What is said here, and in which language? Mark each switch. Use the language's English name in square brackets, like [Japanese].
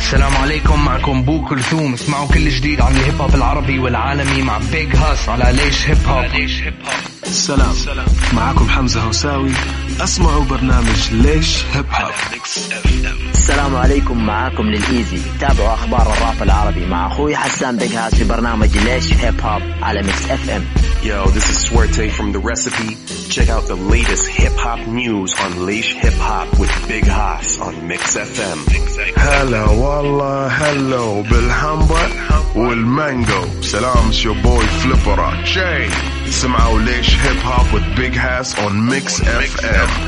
[Arabic] Salam alaikum, معكم بو كلثوم. اسمعوا كل جديد عن الهيب هوب العربي والعالمي مع Big Hoss على Laish Hip Hop. سلام. معكم حمزة هوساوي. اسمعوا برنامج Laish Hip Hop. السلام عليكم, معكم للإيزي. تابعوا أخبار الراب العربي مع أخوي حسان Big Hoss في برنامج Laish Hip Hop على Mix FM. [English] Yo, this is Swerte from The Recipe. Check out the latest hip-hop news on Laish Hip Hop with Big Hoss on Mix FM. Hello, walla, hello, Bilhamba, والمانجو. Salam, it's your boy Flippera J. [Arabic] سمعوا [English] Laish Hip Hop with Big Hoss on Mix FM.